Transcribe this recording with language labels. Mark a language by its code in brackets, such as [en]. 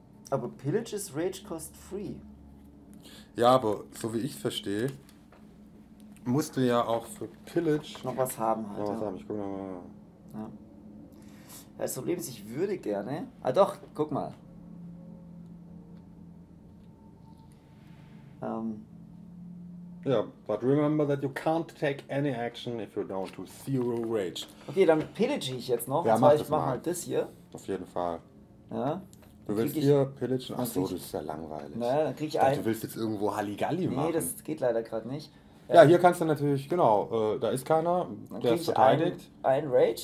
[de] Aber [en] Pillage is Rage Cost Free. [de] Ja, aber so wie ich verstehe, musst du ja auch für Pillage noch was haben. Halt, noch was haben. Ich guck mal. Ja. Das Problem ist, ich würde gerne. Ah doch, guck mal. [en] Ja, but remember that you can't take any action if you're down to zero rage. [de] Okay, dann pillage ich jetzt noch. Ja, mach das ich mach mal das hier. Auf jeden Fall. Ja. Du willst hier pillagen? Achso, das ist ja langweilig. Naja, dann krieg ich einen. Du willst jetzt irgendwo Halligalli nee, machen. Nee, das geht leider gerade nicht. Ja, hier kannst du natürlich, genau, da ist keiner, dann der ist verteidigt. Ein Rage,